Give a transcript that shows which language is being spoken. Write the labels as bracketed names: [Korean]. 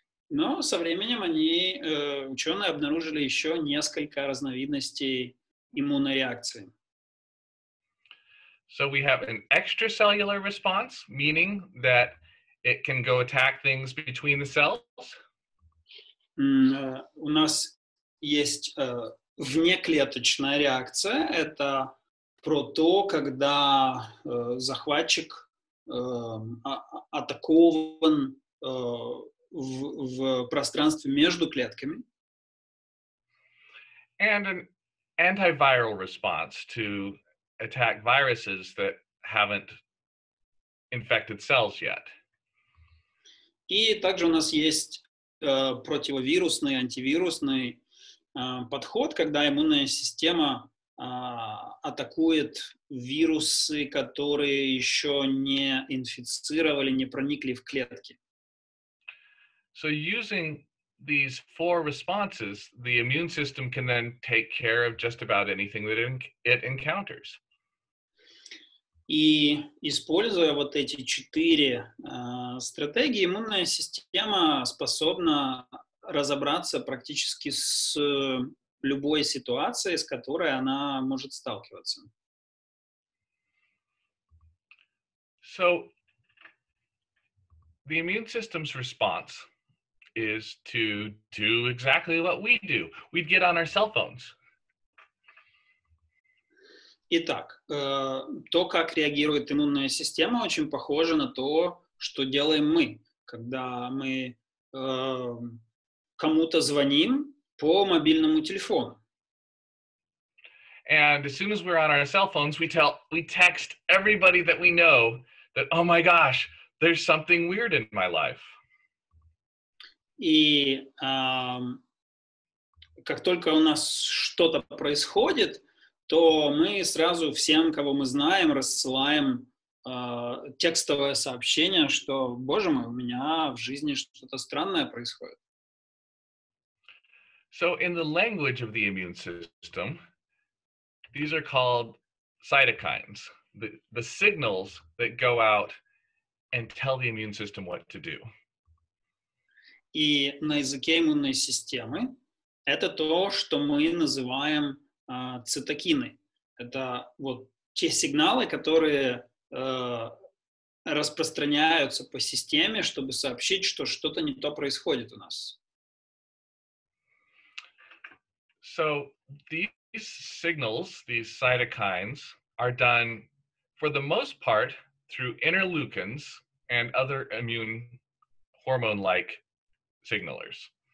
[Russian] Но со временем они, ученые, обнаружили еще несколько разновидностей иммунной реакции. [English] So we have an extracellular response, meaning that it can go attack things between the cells. [Russian] У нас есть внеклеточная реакция. Это про то, когда захватчик атакован в пространстве между клетками. [English] And an antiviral response to attack viruses that haven't infected cells yet. [Russian] И также у нас есть противовирусный, антивирусный подход, когда иммунная система атакует вирусы, которые еще не инфицировали, не проникли в клетки. [English] So using these four responses, the immune system can then take care of just about anything that it encounters. [Russian] И используя вот эти четыре стратегии, иммунная система способна разобраться практически с любой ситуацией, с которой она может сталкиваться. [English] So, the immune system's response is to do exactly what we do. We'd get on our cell phones. [Russian] Итак, то, как реагирует иммунная система, очень похоже на то, что делаем мы, когда мы кому-то звоним по мобильному телефону. [English] And as soon as we're on our cell phones, we text everybody that we know that, oh my gosh, there's something weird in my life. [Russian] И как только у нас что-то происходит, то мы сразу всем, кого мы знаем, рассылаем текстовое сообщение, что, боже мой, у меня в жизни что-то странное происходит. [English] So in the language of the immune system, these are called cytokines, the signals that go out and tell the immune system what to do. [Russian] И на языке иммунной системы это то, что мы называем цитокины. Это вот те сигналы, которые распространяются по системе, чтобы сообщить, что что-то не то происходит у нас. [English] So these signals, these cytokines, are done for the most part through interleukins and other immune hormone-like signalers.